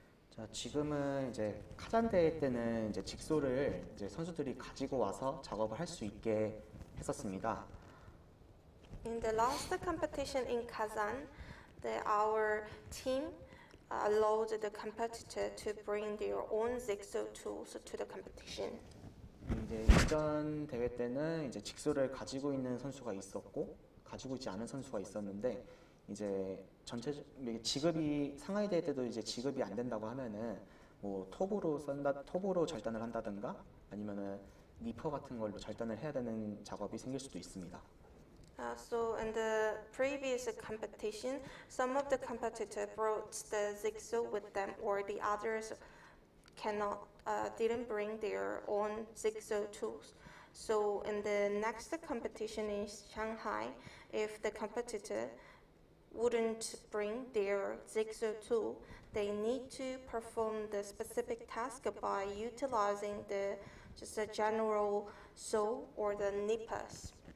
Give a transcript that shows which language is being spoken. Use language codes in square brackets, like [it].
[ko] 자, 지금은 이제 카잔대회 때는 이제 직소를 이제 선수들이 가지고 와서 작업을 할 수 있게 했었습니다. [en] In the last competition in Kazan, our team allowed the competitor to bring their own jigsaw tools to the competition. [ko] 이제 이전 대회 때는 이제 직소를 가지고 있는 선수가 있었고 가지고 있지 않은 선수가 있었는데 이제 전체 지급이 상하이 대회 때도 이제 지급이 안 된다고 하면은 뭐 톱으로 썬다 톱으로 절단을 한다든가 아니면은 니퍼 같은 걸로 절단을 해야 되는 작업이 생길 수도 있습니다. [en] So in the previous competition, some of the competitor brought the jigsaw with them, or the others cannot didn't bring their own jigsaw tools. So in the next competition in Shanghai, if the competitor wouldn't bring their jigsaw tool, they need to perform the specific task by utilizing the just a general saw or the nippers.